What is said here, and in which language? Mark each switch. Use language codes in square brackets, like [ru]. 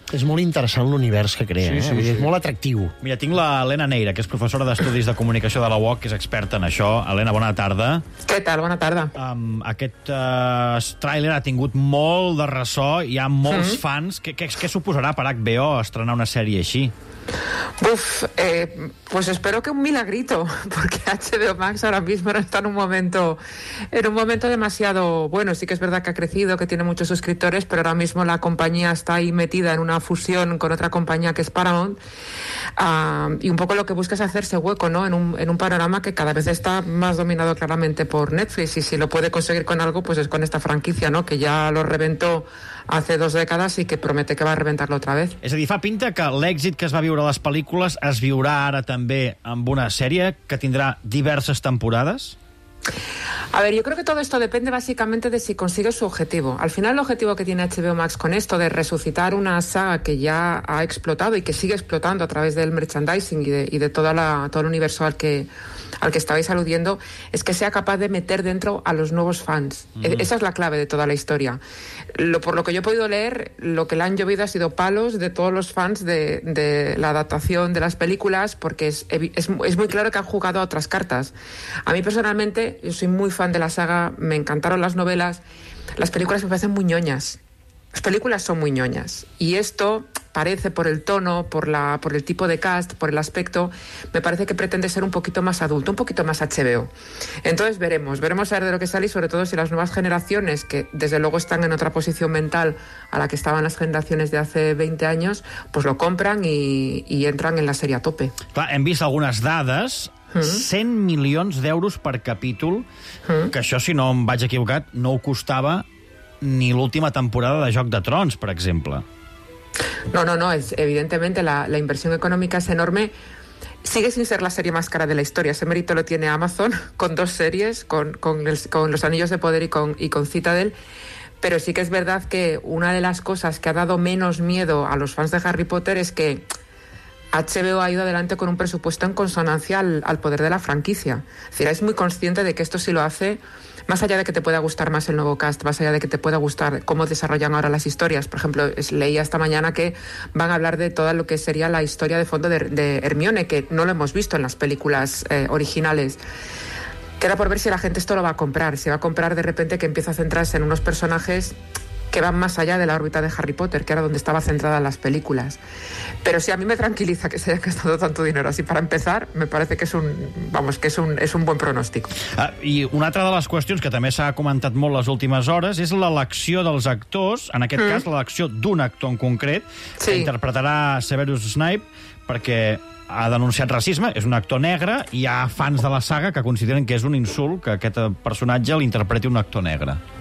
[ca] És molt interessant l'univers que crea, sí, sí, és molt atractiu. Mira, tinc l'Helena Neira, que és professora d'Estudis de Comunicació de la UOC, que és experta en això. Helena, bona tarda. Què tal, bona tarda. Aquest tràiler ha tingut molt de ressò, hi ha molts fans. Què suposarà per HBO estrenar una sèrie així? [es] Uf, pues espero que un milagrito, porque HBO Max ahora mismo está en un momento demasiado bueno. Sí que es verdad que ha crecido, que tiene muchos suscriptores, pero ahora mismo la compañía está ahí metida en una fusión con otra compañía que es Paramount, y un poco lo que busca es hacerse hueco, ¿no? En un panorama que cada vez está más dominado claramente por Netflix, y si lo puede conseguir con algo, pues es con esta franquicia, ¿no? Que ya lo reventó hace 2 décadas y que promete que va a reventarlo otra vez. [ca] És a dir, fa pinta que l'èxit que es va viure a les pel·lícules es viurà ara també amb una sèrie que tindrà diverses temporades? [es] A ver, yo creo que todo esto depende básicamente de si consigue su objetivo. Al final, el objetivo que tiene HBO Max con esto de resucitar una saga que ya ha explotado y que sigue explotando a través del merchandising y de todo el universo al que estabais aludiendo, es que sea capaz de meter dentro a los nuevos fans. Esa es la clave de toda la historia. Por lo que yo he podido leer, lo que le han llovido ha sido palos de todos los fans de la adaptación de las películas, porque es muy claro que han jugado a otras cartas. A mí personalmente, yo soy muy fan de la saga, me encantaron las novelas, las películas me parecen muy ñoñas. Las películas son muy ñoñas. Y esto... parece, por el tono, por el tipo de cast, por el aspecto, me parece que pretende ser un poquito más adulto, un poquito más HBO. Entonces veremos a ver de lo que sale, y sobre todo si las nuevas generaciones, que desde luego están en otra posición mental a la que estaban las generaciones de hace 20 años, pues lo compran y entran en la serie a tope. [ca] Clar, hem vist algunes dades, 100 milions d'euros per capítol, que això, si no em vaig equivocat, no ho costava ni l'última temporada de Joc de Trons, per exemple. [es] No, es evidentemente la inversión económica es enorme. Sigue sin ser la serie más cara de la historia. Ese mérito lo tiene Amazon con 2 series, con Los Anillos de Poder y con Citadel. Pero sí que es verdad que una de las cosas que ha dado menos miedo a los fans de Harry Potter es que HBO ha ido adelante con un presupuesto en consonancia al poder de la franquicia. Es decir, es muy consciente de que esto, si lo hace, más allá de que te pueda gustar más el nuevo cast, más allá de que te pueda gustar cómo desarrollan ahora las historias, por ejemplo, leí esta mañana que van a hablar de toda lo que sería la historia de fondo de Hermione, que no lo hemos visto en las películas originales. Queda por ver si la gente esto lo va a comprar, si va a comprar de repente que empieza a centrarse en unos personajes que van más allá de la órbita de Harry Potter, que era donde estaba centrada las películas. Pero sí, a mí me tranquiliza que se haya gastado tanto dinero. Así, para empezar, me parece que es un buen pronóstico. [ca] I una altra de les qüestions que també s'ha comentat molt les últimes hores és l'elecció dels actors, en aquest cas l'elecció d'un actor en concret, que interpretarà Severus Snape, perquè ha denunciat racisme, és un actor negre, i hi ha fans de la saga que consideren que és un insult que aquest personatge l'interpreti un actor negre.